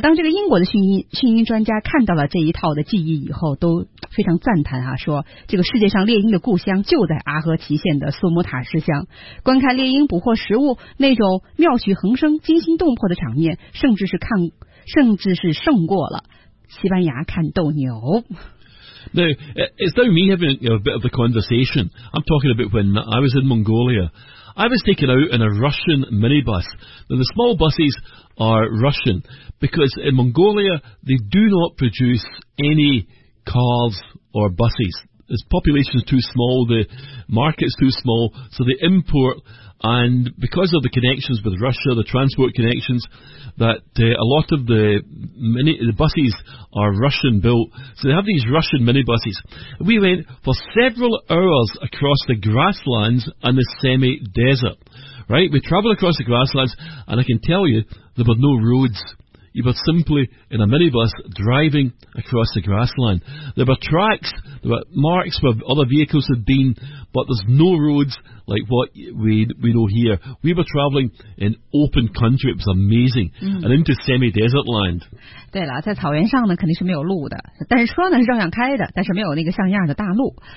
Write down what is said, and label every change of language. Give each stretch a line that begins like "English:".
Chinese: 当这个英国的驯鹰专家看到了这一套的技艺以后，都非常赞叹啊，说这个世界上猎鹰的故乡就在阿合奇县的苏姆塔什乡，观看猎鹰捕获食物那种妙趣横生、惊心动魄的场面，甚至是胜过了西班牙看斗牛。
English: Now, it's now me having a bit of the conversation. I'm talking about when I was in Mongolia. I was taken out in a Russian minibus. Now, the small buses are Russian because in Mongolia, they do not produce any cars or buses. The population is too small, the market is too small, so they import. And because of the connections with Russia, the transport connections, that a lot of the buses are Russian built. So they have these Russian minibuses. We went for several hours across the grasslands and the semi-desert. Right? We travelled across the grasslands, and I can tell you, there were no roads. You were simply in a minibus driving across the grassland. There were tracks, there were marks where other vehicles had been, but there's no roads like what we know here. We were travelling in open country. It was amazing. And into semi-desert land.
Chinese: 对了，在草原上呢肯定是没有路的，但是车呢是照样开的，但是没有那个像样的大路。